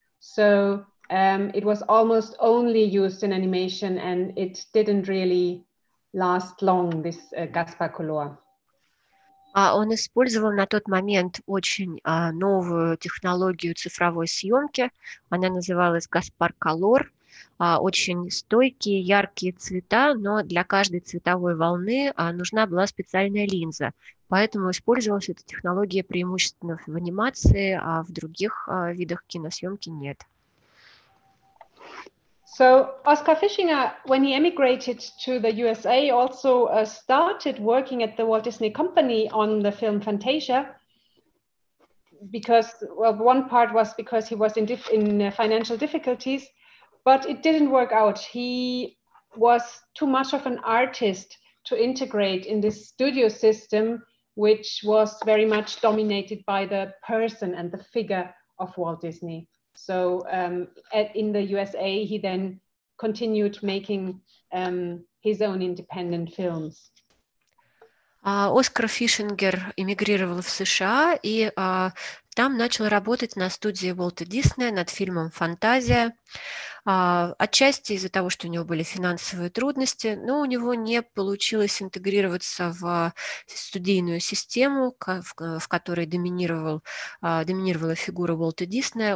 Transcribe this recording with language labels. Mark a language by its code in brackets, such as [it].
[en] So it was almost only used in animation, and it didn't really last long, this Gaspar Color. [ru] Он использовал на тот момент очень новую технологию цифровой съемки. Она называлась Gaspar Color. Очень стойкие, яркие цвета, но для каждой цветовой волны нужна была специальная линза. Поэтому использовалась эта технология преимущественно в анимации, а в других видах киносъемки нет. [en] So, Oscar Fischinger, when he emigrated to the USA, also started working at the Walt Disney Company on the film Fantasia. Because, well, one part was because he was in financial difficulties. But it didn't work out. He was too much of an artist to integrate in this studio system, which was very much dominated by the person and the figure of Walt Disney. So in the USA, he then continued making his own independent films. [ru] Оскар Фишингер эмигрировал в США и там начал работать на студии Уолта Диснея над фильмом «Фантазия». Отчасти из-за того, что у него были финансовые трудности, но у него не получилось интегрироваться в студийную систему, в которой доминировала фигура Уолта Диснея.